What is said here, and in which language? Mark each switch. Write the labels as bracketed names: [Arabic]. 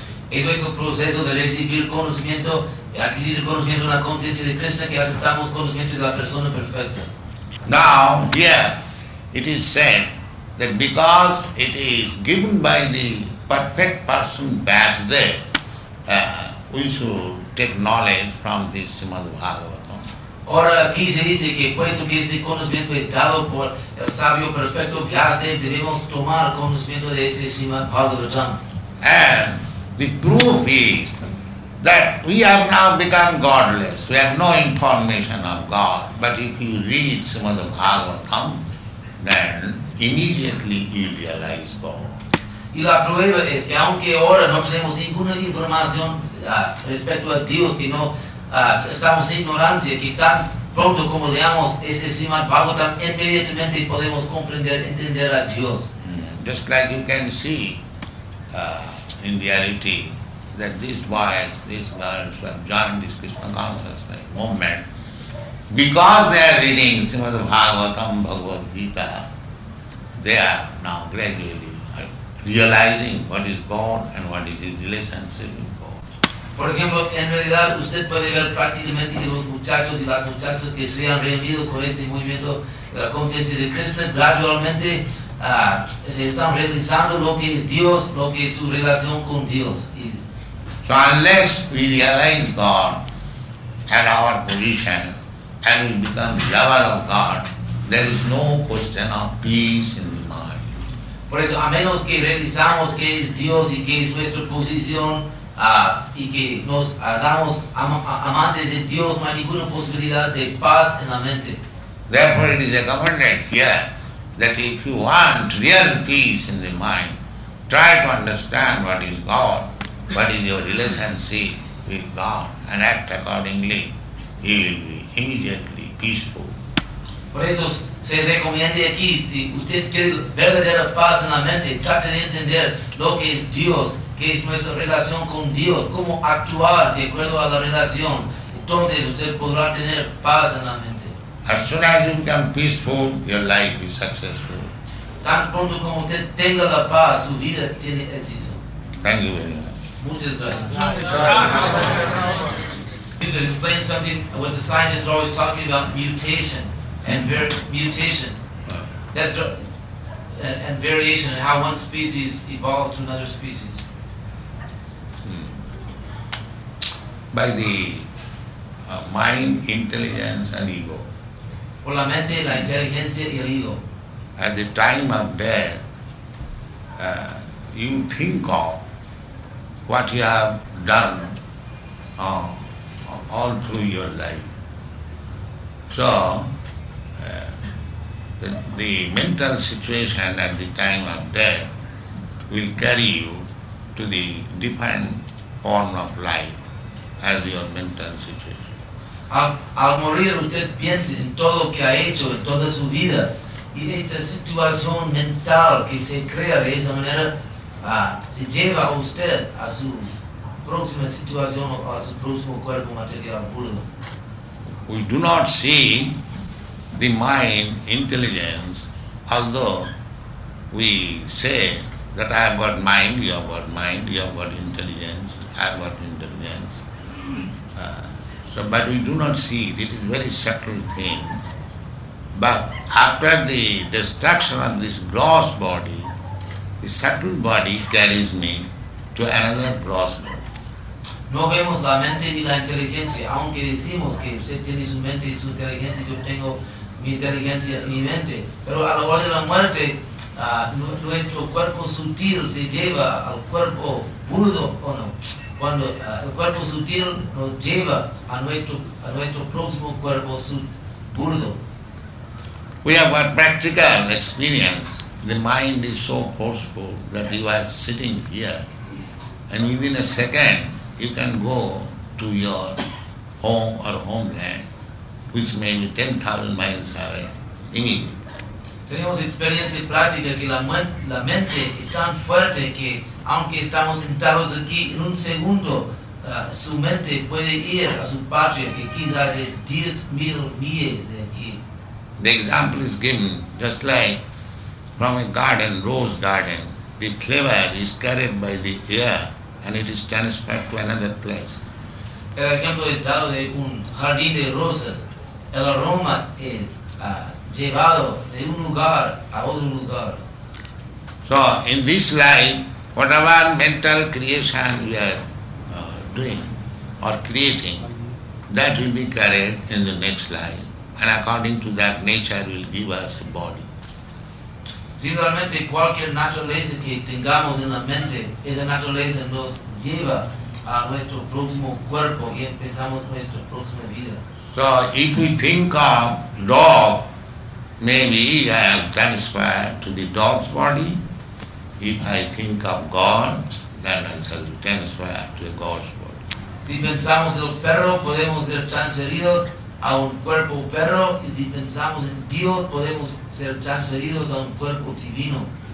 [Spanish] Eso es el proceso de recibir conocimiento, adquirir conocimiento de la conciencia de Krishna, que aceptamos conocimiento de la persona perfecta. [English] Now, here, it is said that because it is given by the perfect person Vyasadeva, we should take knowledge from this Srimad Bhagavatam. [Spanish] Ahora aquí se dice que puesto que este conocimiento es dado por el sabio perfecto Vyasadeva, debemos tomar conocimiento de este Srimad Bhagavatam. [English] And the proof is that we have now become godless. We have no information of God. But if you read Srimad Bhagavatam, then immediately you realize God. [Spanish] Y la prueba es que aunque ahora no tenemos ninguna información respecto a Dios, que no estamos en ignorancia, que tan pronto como leamos ese Srimad Bhagavatam, inmediatamente podemos comprender, entender a Dios. [English] Just like you can see, in reality, that these boys, these girls who have joined this Krishna consciousness movement, because they are reading Srimad Bhagavatam, Bhagavad Gita, they are now gradually realizing what is God and what is His relationship with God. [Spanish] Por ejemplo, en realidad usted puede ver prácticamente que los muchachos y las muchachas que se han reunido con este movimiento de la conciencia de Krishna gradualmente se están realizando lo que es Dios, lo que es su relación con Dios. [English] So unless we realize God and our position and we become lover of God, there is no question of peace in the mind. [Spanish] Por eso, a menos que realizamos que es Dios y que es nuestra posición y que nos hagamos amantes de Dios, no hay ninguna posibilidad de paz en la mente. [English] Therefore it is recommended here that if you want real peace in the mind, try to understand what is God, what is your relationship with God, and act accordingly. He will be immediately peaceful. [Spanish] Por eso se recomienda aquí, si usted quiere verdadera paz en la mente, trate de entender lo que es Dios, que es nuestra relación con Dios, cómo actuar de acuerdo a la relación. Entonces usted podrá tener paz en la mente. [English] As soon as you become peaceful, your life is successful. [Spanish] Tan pronto como usted tenga la paz, su vida tiene éxito. [English] Thank you very much. You can explain something what the scientists are always talking about, mutation and mutation. That's and variation, and how one species evolves to another species. By the mind, intelligence, and ego. [Spanish] Por la mente, la inteligencia y el ego. [English] At the time of death, you think of what you have done all through your life. So, the mental situation at the time of death will carry you to the different form of life as your mental situation. [Spanish] Al morir usted piensa en todo lo que ha hecho en toda su vida, y esta situación mental que se crea de esa manera se lleva a usted a su próxima situación o a su próximo cuerpo material puro. [English] We do not see the mind, intelligence, although we say that I have got mind, you have got mind, you have got intelligence, I have got intelligence. But we do not see it. It is very subtle thing. But after the destruction of this gross body, the subtle body carries me to another gross body. [Spanish] No vemos la mente ni la inteligencia, aunque decimos que usted tiene su mente y su inteligencia, yo tengo mi inteligencia y mi mente. Pero a la hora de la muerte, nuestro cuerpo sutil se lleva al cuerpo burdo, ¿o no? Cuando el cuerpo sutil nos lleva a nuestro próximo cuerpo burdo. [English] We have got practical experience. The mind is so forceful that you are sitting here and within a second you can go to your home or homeland, which may be 10,000 miles away, immediately. [Spanish] Tenemos experiencia práctica que la mente es tan fuerte que aunque estamos sentados aquí en un segundo, su mente puede ir a su patria que quizás de 10,000 millas de aquí. [English] The example is given just like from a garden, rose garden. The flavor is carried by the air and it is transferred to another place. [Spanish] El ejemplo es dado de un jardín de rosas. El aroma es llevado de un lugar a otro lugar. [English] So, in this life, whatever mental creation we are doing or creating, that will be carried in the next life. And according to that, nature will give us a body. [Spanish] Simplemente cualquier naturaleza que tengamos en la mente, esa naturaleza nos lleva a nuestro próximo cuerpo y empezamos nuestra próxima vida. [English] So, if we think of dog, maybe I am transferred to the dog's body. If I think of God, then I shall be transferred to a God's body. [Spanish] Si pensamos en el perro, podemos ser transferidos a un cuerpo perro. Y si pensamos en Dios, podemos ser transferidos a un cuerpo divino.